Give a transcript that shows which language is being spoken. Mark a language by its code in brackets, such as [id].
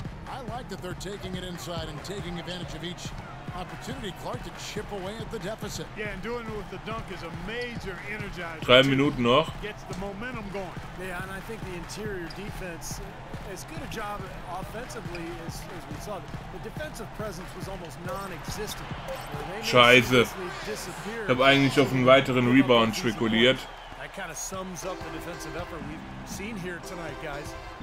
[en] I like that they're taking it inside and taking advantage of each opportunity, Clark, to chip away at the deficit. Yeah, and doing it with the dunk is a major energizer. [de] 3 Minuten noch. [en] Gets the momentum going. Yeah, and I think the interior defense, as good a job offensively as we saw, the defensive presence was almost non-existent. [de] Scheiße. Ich habe eigentlich auf einen weiteren Rebound spekuliert. [en] That kind of sums up the defensive effort we've seen here tonight, guys.